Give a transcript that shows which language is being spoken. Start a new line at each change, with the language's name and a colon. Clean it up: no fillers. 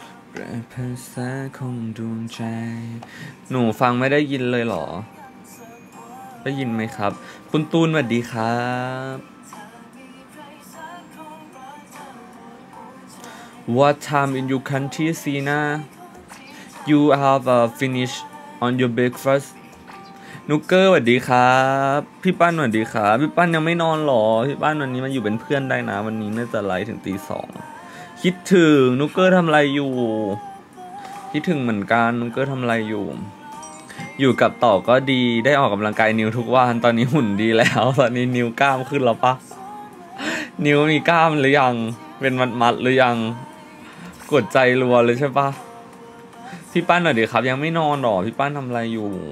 Thai: แปรแสของดวงใจหนูฟังไม่ได้ยินเลยเหรอได้ยินไหมครับคุณตูนสวัสดีครับ
English: What time in your country, Sina? You have finished on your breakfast?
Thai: Nuker, สวัสดีครับพี่ปั้นสวัสดีครับพี่ปั้นยังไม่นอนหรอพี่ปั้นวันนี้มาอยู่เป็นเพื่อนได้นะวันนี้น่าจะไลฟ์ถึงตีสองคิดถึง Nuker ทำอะไรอยู่คิดถึงเหมือนกัน Nuker ทำอะไรอยู่อยู่กับต่อก็ดีได้ออกกำลังกายนิ้วทุกวันตอนนี้หุ่นดีแล้วตอนนี้นิ้วกล้ามขึ้นแล้วปะนิ้วมีกล้ามหรือยังเป็นมัดหรือยังกดใจรัวเลยใช่ปะพี่ปั้นหน่อยดิครับยังไม่นอนหรอพี่ปั้นทำอะไรอยู่